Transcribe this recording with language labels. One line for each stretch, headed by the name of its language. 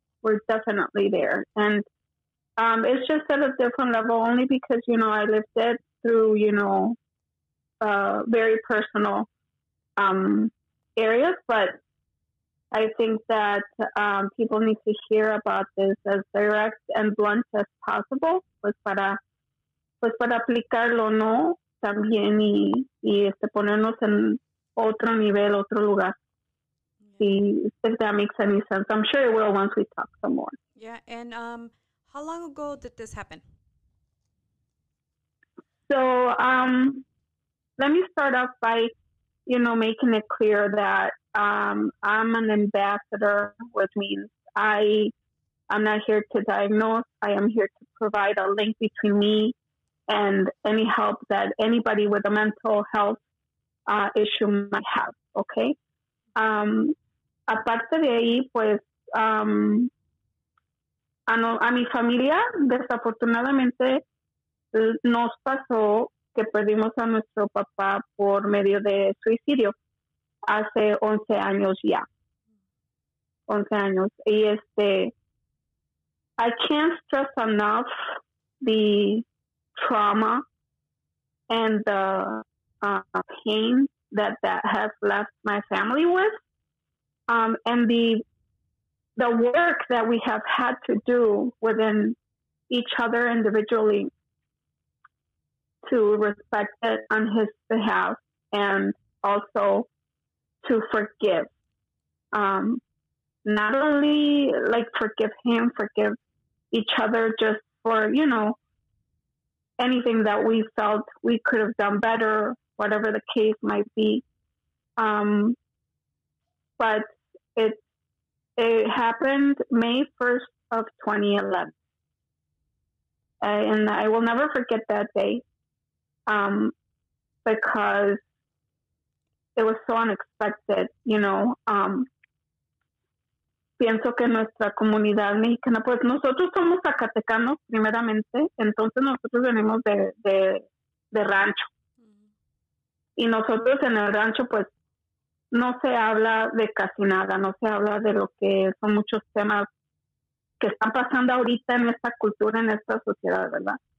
English: We're definitely there. And it's just at a different level only because, you know, I lived it through, you know, very personal areas. But I think that people need to hear about this as direct and blunt as possible.
Spanish: Pues para aplicarlo, ¿no? También y ponernos en otro nivel, otro lugar.
English: If that makes any sense. I'm sure it will once we talk some more. Yeah, and how long ago did this happen? So let me start off by, you know, making it clear that I'm an ambassador, which means I'm not here to diagnose. I am here to provide a link between me and any help that anybody with a mental health issue might have, okay?
Spanish: Aparte de ahí, pues, a mi familia, desafortunadamente, nos pasó que perdimos a nuestro papá por medio de suicidio hace 11 años ya. 11 años.
English: Y I can't stress enough the trauma and the pain that has left my family with. And the work that we have had to do within each other individually to respect it on his behalf and also to forgive. Not only, like, forgive him, forgive each other just for, you know, anything that we felt we could have done better, whatever the case might be. But it happened May 1st of 2011. And I will never forget that day because it was so unexpected, you know.
Spanish: Pienso que nuestra comunidad mexicana, pues nosotros somos zacatecanos primeramente, entonces nosotros venimos de rancho. Y nosotros en el rancho, pues, no se habla de casi nada, no se habla de lo que son muchos temas que están pasando ahorita en esta cultura, en esta sociedad, ¿verdad?